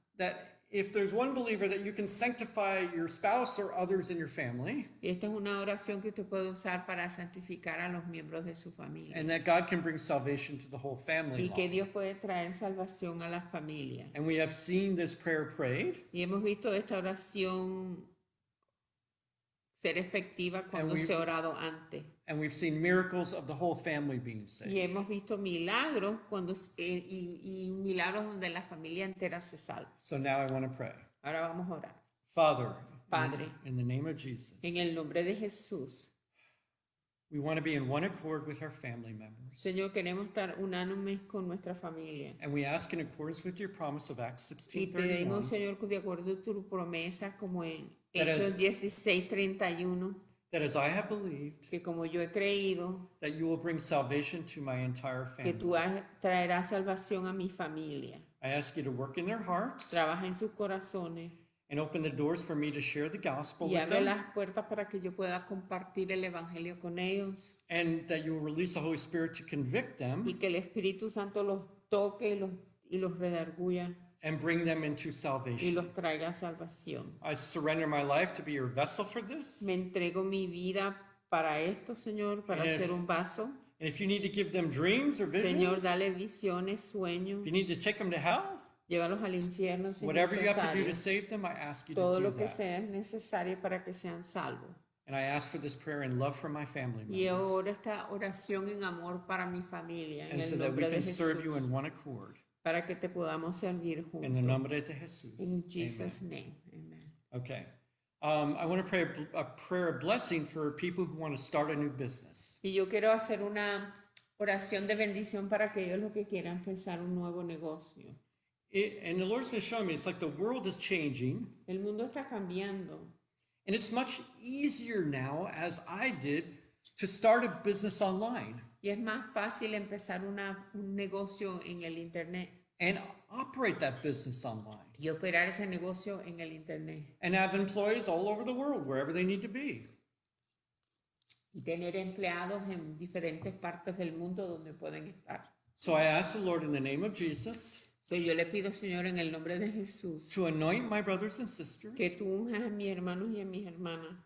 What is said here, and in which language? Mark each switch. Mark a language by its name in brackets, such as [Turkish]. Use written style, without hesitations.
[English] That if there's one believer that you can sanctify your spouse or others in your family. [Spanish] Esta es una oración que usted puede usar para santificar a los miembros de su familia. [English] And that God can bring salvation to the whole family. [Spanish] Y que Dios puede traer salvación a la familia. [English] And we have seen this prayer prayed. [Spanish] Y hemos visto esta oración ser efectiva cuando se ha orado antes. [English] And we've seen miracles of the whole family being saved. [Spanish] Y hemos visto milagros cuando y milagros donde la familia entera se salva. [English] So now I want to pray. [Spanish] Ahora vamos a orar. [English] Father, [Spanish] Padre, [English] in the name of Jesus. [Spanish] En el nombre de Jesús. [English] We want to be in one accord with our family members. [Spanish] Señor, queremos estar unánimes con nuestra familia. [English] And we ask in accordance with your promise of Acts 16:31. [Spanish] Y pedimos, Señor, de acuerdo a tu promesa como en Hechos 16:31. [English] That as I have believed, [Spanish] que como yo he creído, [English] that you will bring salvation to my entire family. [Spanish] Que tú traerás salvación a mi familia. [English] I ask you to work in their hearts. [Spanish] Trabaja en sus corazones. [English] And open the doors for me to share the gospel [Spanish] y [English] with them. [Spanish] Y abre las puertas para que yo pueda compartir el evangelio con ellos. [English] And that you will release the Holy Spirit to convict them. [Spanish] Y que el Espíritu Santo los toque y los redarguya. [English] And bring them into salvation. [Spanish] Y los traiga a salvación. [English] I surrender my life to be your vessel for this. [Spanish] Me entrego mi vida para esto, Señor, para ser un vaso. [English] And if you need to give them dreams or visions, [Spanish] Señor, dale visiones, sueños. [English] If you need to take them to hell, [Spanish] llévalos al infierno si [English] whatever [Spanish] necesario. [English] Whatever you have to do to save them, I ask you [Spanish] todo [English] to do that. [Spanish] Todo lo que sea necesario para que sean salvos. [English] And I ask for this prayer in love for my family members. [Spanish] Y ahora esta oración en amor para mi familia, en [English] and [Spanish] el [English] so [Spanish] nombre [English] that we can [Spanish] Jesús. [English] Serve you in one accord. [Spanish] Para que te podamos servir juntos. En el nombre de Jesús. [English] In Jesus' name. Amen. Okay. I want to pray a prayer of blessing for people who want to start a new business. [Spanish] Y yo quiero hacer una oración de bendición para aquellos los que quieran empezar un nuevo negocio. [English] And the Lord's been showing me, it's like the world is changing. [Spanish] El mundo está cambiando. [English] And it's much easier now, as I did, to start a business online. [Spanish] Y es más fácil empezar un negocio en el internet. [English] And operate that business online. [Spanish] Y operar ese negocio en el internet. [English] And have employees all over the world, wherever they need to be. [Spanish] Y tener empleados en diferentes partes del mundo donde pueden estar. [English] So I ask the Lord in the name of Jesus. [Spanish] So yo le pido, Señor, en el nombre de Jesús. [English] To anoint my brothers and sisters. [Spanish] Que tú unjas a mis hermanos y a mis hermanas.